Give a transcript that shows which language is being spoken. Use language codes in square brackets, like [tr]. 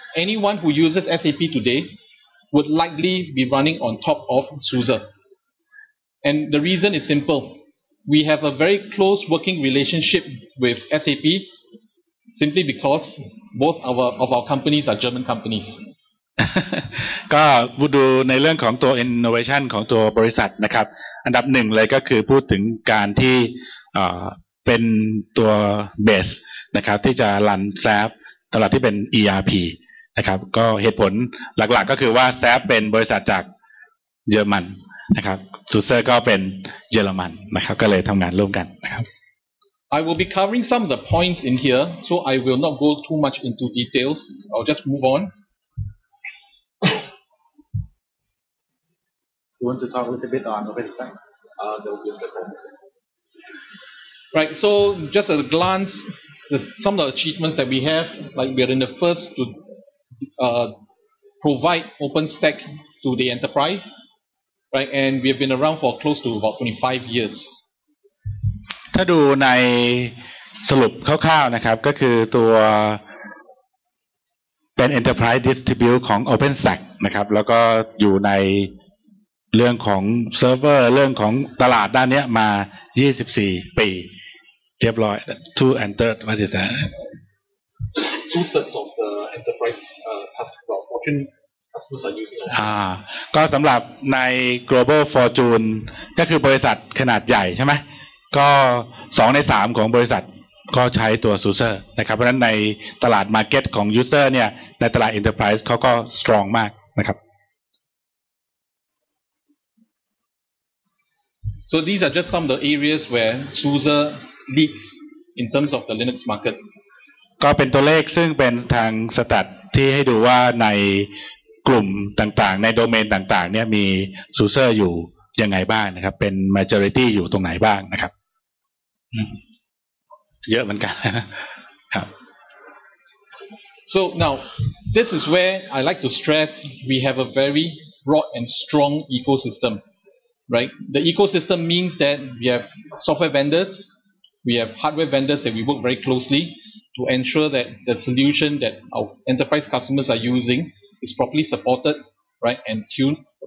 [en] Anyone who uses SAP today would likely be running on top of SUSE. And the reason is simple. We have a very close working relationship with SAP simply because both of our companies are German companies. [th] ก็ดูในเรื่องของตัว innovation ของตัวบริษัทนะครับอันดับหนึ่งเลยก็คือพูดถึงการที่เป็นตัว base นะครับที่จะ run SAP สำหรับที่เป็น ERP นะครับก็เหตุผลหลักๆก็คือว่าแซปเป็นบริษัทจากเยอรมันนะครับซูเซอร์ก็เป็นเยอรมันนะครับก็เลยทำงานร่วมกันนะครับ [en] I will be covering some of the points in here so I will not go too much into details I'll just move on You want to talk a little bit on open stack? There will be a step on this. Right, so just at a glance, some of the achievements that we have, like we are in the first to provide open stack to the enterprise, right, and we have been around for close to about 25 years. [th] ถ้าดูในสรุปคร่าวๆนะครับก็คือตัวเป็น enterprise distribute ของ open stack นะครับแล้วก็อยู่ในเรื่องของเซิร์ฟเวอร์เรื่องของตลาดด้านเนี้ยมา24ปีเรียบร้อย [en] two and third what is that two thirds of the enterprise customer fortune customers are using [th] ก็สำหรับใน global fortune ก็คือบริษัทขนาดใหญ่ใช่ไหมก็2ใน3ของบริษัทก็ใช้ตัว user นะครับเพราะฉะนั้นในตลาด market ของ user เนี่ยในตลาด enterprise เขาก็ strong มากนะครับ [en] So these are just some of the areas where SUSE leads in terms of the Linux market. [th] ก็เป็นตัวเลขซึ่งเป็นทางสตัตที่ให้ดูว่าในกลุ่มต่างๆในโดเมนต่างๆเนี่ยมี SUSE อยู่ยังไงบ้างนะครับเป็น majority อยู่ตรงไหนบ้างนะครับเยอะเหมือนกันครับ [en] So now this is where I like to stress we have a very broad and strong ecosystemRight. The ecosystem means that we have software vendors, we have hardware vendors that we work very closely to ensure that the solution that our enterprise customers are using is properly supported, right, and tuned.